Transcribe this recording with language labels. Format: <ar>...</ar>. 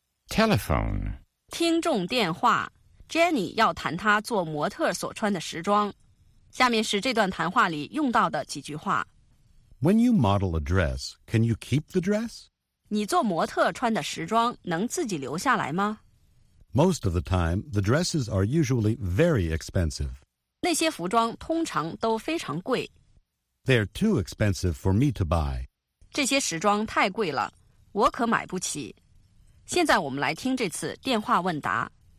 <en>telephone.</en> <zh>听众电话 Jenny 要谈她做模特所穿的时装。下面是这段谈话里用到的几句话。</zh> <en>When you model a dress, can you keep the dress?</en> <zh>你做模特穿的时装能自己留下来吗？</zh> <en>Most of the time, the dresses are usually very expensive.</en> <zh>那些服装通常都非常贵。</zh> <en>They're too expensive for me to buy.</en> <zh>这些时装太贵了，我可买不起。现在我们来听这次电话问答。</zh>